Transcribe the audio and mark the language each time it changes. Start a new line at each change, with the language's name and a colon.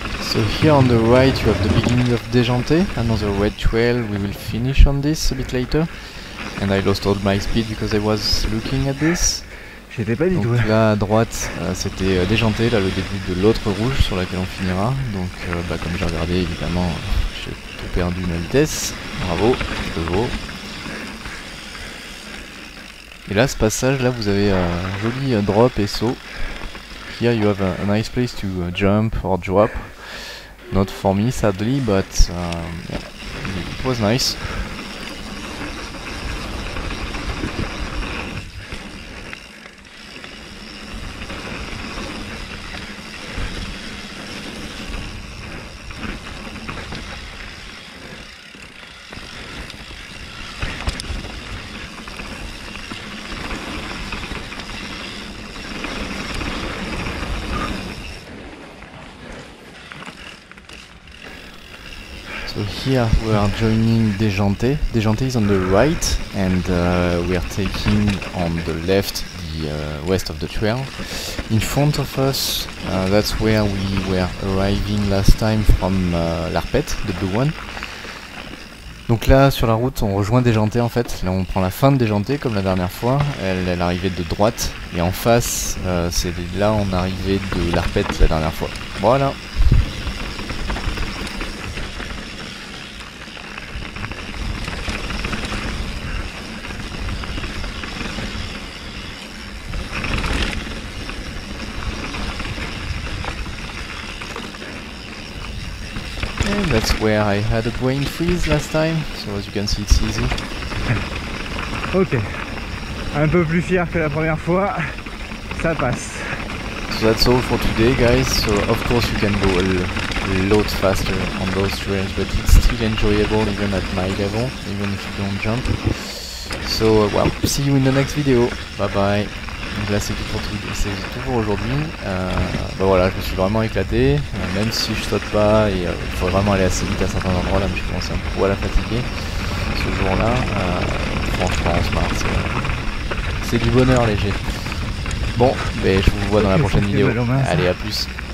English: So here on the right you have the beginning of Déjanté, another red trail, we will finish on this a bit later. And I lost all my speed because I was looking at this.
French: J'étais pas du tout. Donc là à droite c'était Déjanté, là le début de l'autre rouge sur laquelle on finira. Donc bah, comme j'ai regardé évidemment j'ai tout perdu ma vitesse, bravo, bravo. Et là ce passage là vous avez un joli drop et saut.
English: Here you have a nice place to jump or drop. Not for me sadly, but yeah, it was nice. So here we are joining Déjanté. Déjanté is on the right and we are taking on the left the west of the trail. In front of us, that's where we were arriving last time from L'Arpède, the blue one.
French: Donc là sur la route on rejoint Déjanté en fait, là on prend la fin de Déjanté comme la dernière fois, elle arrivait de droite et en face c'est là on arrivait de L'Arpède la dernière fois. Voilà.
English: That's where I had a brain freeze last time, so as you can see it's easy.
French: Ok, un peu plus fier que la première fois, ça passe.
English: So that's all for today guys, so of course you can go a lot faster on those trails, but it's still enjoyable even at my level, even if you don't jump. So well, see you in the next video, bye bye.
French: Donc là c'est tout pour aujourd'hui, bah voilà je me suis vraiment éclaté, même si je saute pas et il faut vraiment aller assez vite à certains endroits là, mais je commence un peu à la fatiguer ce jour là, franchement c'est c'est du bonheur léger. Bon, ben, je vous vois dans la prochaine vidéo. Allez, à plus.